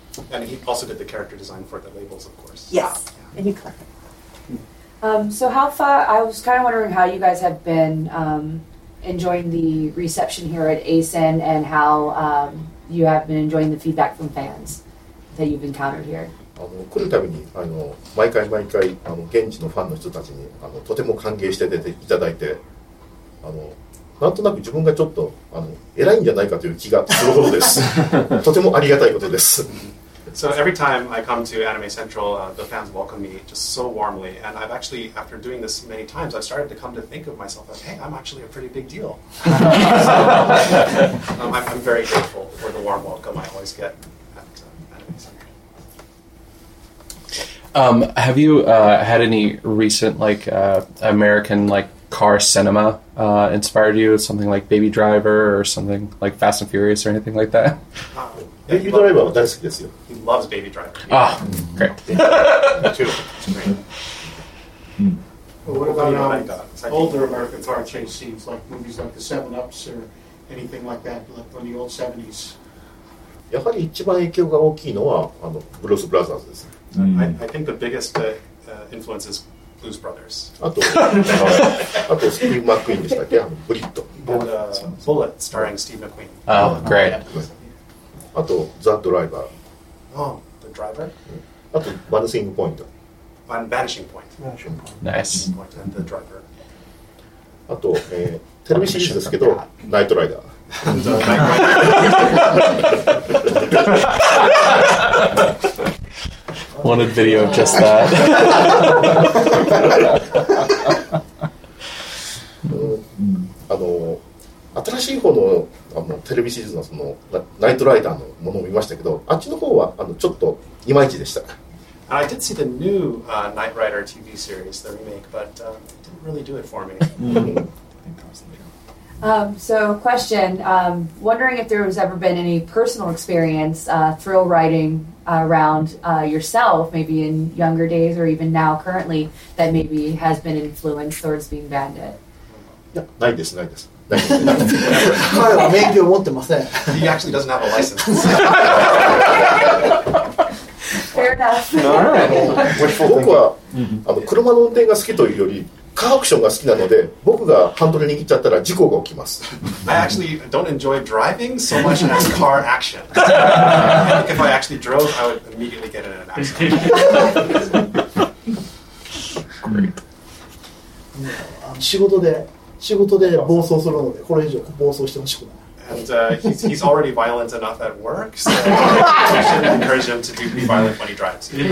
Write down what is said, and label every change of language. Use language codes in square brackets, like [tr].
[en] And he also did the character design for the labels, of course. Yeah, and you collected. So how far, I was kind of wondering how you guys have been enjoying the reception here at ASIN and how you have been enjoying the feedback from fans that you've encountered here. [ja] 来るたびにあの毎回毎回あの現地のファンの人たちにあのとても歓迎して出ていただいて、あのなんとなく自分がちょっとあの偉いんじゃないかという気がするほどです。とてもありがたいことです。 [en] So every time I come to Anime Central, the fans welcome me just so warmly. And I've actually, after doing this many times, I've started to come to think of myself as, hey, I'm actually a pretty big deal. So, I'm very grateful for the warm welcome I always get at Anime Central. Have you had any recent like American like car cinema inspired you? Something like Baby Driver or something like Fast and Furious or anything like that? [ja] Baby Driver 大好きですよ。 [en] He loves Baby Driver. Ah, great. Me too. What about older American car chase scenes, like movies like the 7-Ups or anything like that, like from the old 70s? [ja] やはり一番影響が大きいのはあのブルース・ブラザーズです。 [en] I think the biggest influence is Blues Brothers. [ja] あとあとスティーブ・マックイーンでしたっけ、あのブリッ [en] ド。And Bullet starring Steve McQueen. Oh, great. [ja] あと、ザ・ドライバー。 [en] Oh, the driver? [ja] あと、バヌシングポイント。 [en] Vanishing point. Nice. And the driver. [ja] あと、テレビシリーズですけど、ナイトライダー。 [en] Wanted video of just that. [ja] あの、新しい方の、あのテレビシリーズ の, そのナイトライダーのものを見ましたけど、あっちの方はあのちょっとイマイチでした。 [en] I did see the new Knight Rider TV series, the remake, but it didn't really do it for me. So, question. Wondering if there has ever been any personal experience thrill riding around yourself, maybe in younger days or even now currently, that maybe has been influenced towards being Bandit? [ja] ないです。彼は免許を持ってません。 [en] He actually doesn't have a license. Fair enough. [ja] 僕はあの車の運転が好きというより、カーアクションが好きなので、僕がハンドル握っちゃったら事故が起きます。 [en] I actually don't enjoy driving so much as car action. If I actually drove, I would immediately get in an accident. [ja] 仕事で暴走するので、これ以上暴走してほしくない。 [en] And he's already violent enough at work, so we shouldn't encourage him to be violent when he drives.